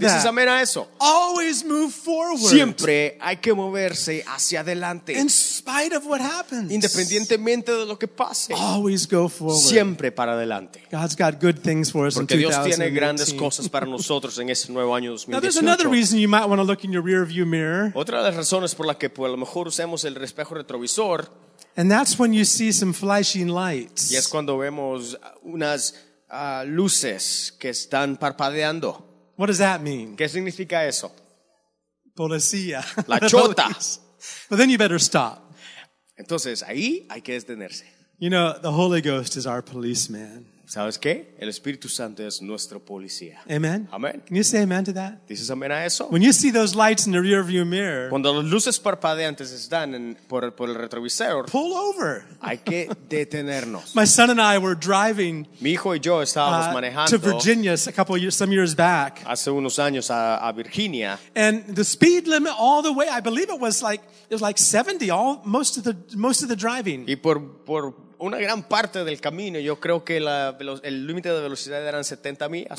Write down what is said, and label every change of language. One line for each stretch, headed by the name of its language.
Spanish: Dices amen a eso.
English: Always move forward.
Spanish: Siempre hay que moverse hacia adelante.
English: In spite of what happens.
Spanish: Independientemente de lo que pase.
English: Always go forward.
Spanish: Siempre para adelante.
English: God's got good things for us.
Spanish: Porque Dios tiene grandes cosas para nosotros en ese nuevo año 2018.
English: Now there's another reason you might want to look in your rear view mirror.
Spanish: Otra de las razones por las que a lo mejor usemos el espejo retrovisor.
English: And that's when you see some flashing lights.
Spanish: Y es cuando vemos unas luces que están parpadeando.
English: What does that mean?
Spanish: ¿Qué significa eso? Policía. La chota.
English: But then you better stop.
Spanish: Entonces, ahí hay que detenerse.
English: You know, the Holy Ghost is our policeman.
Spanish: ¿Sabes qué? El Espíritu Santo es nuestro policía. Amen. Amen.
English: Can you say amen to that?
Spanish: ¿Dices amen a eso?
English: When you see those lights in the rear view mirror,
Spanish: cuando las luces parpadeantes están por el retrovisor,
English: pull over.
Spanish: Hay que detenernos.
English: My son and I were driving.
Spanish: Mi hijo y yo estábamos manejando
English: to Virginia a couple of years, some years back.
Spanish: Hace unos años a Virginia.
English: And the speed limit all the way, I believe it was like 70 all most of the driving.
Spanish: Y por una gran parte del camino, yo creo que el límite de velocidad eran 70 millas